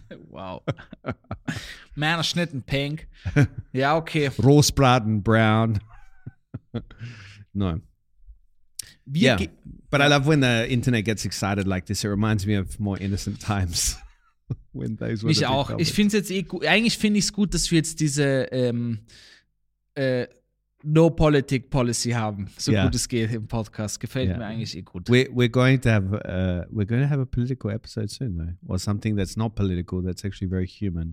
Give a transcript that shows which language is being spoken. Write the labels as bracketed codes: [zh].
[en] Wow. Männerschnitten Pink. Yeah, okay. Rosbraten Brown. No. [de] Wir [en] yeah, but I love when the internet gets excited like this. It reminds me of more innocent times. When those were [de] mich auch. Ich finde es jetzt eh gut. Eigentlich finde ich es gut, dass wir jetzt diese No-Politik-Policy haben, so [en] yeah. [de] gut es geht im Podcast. Gefällt [en] yeah. [de] mir eigentlich eh gut. [en] We're going to have a political episode soon, though. Or something that's not political, that's actually very human.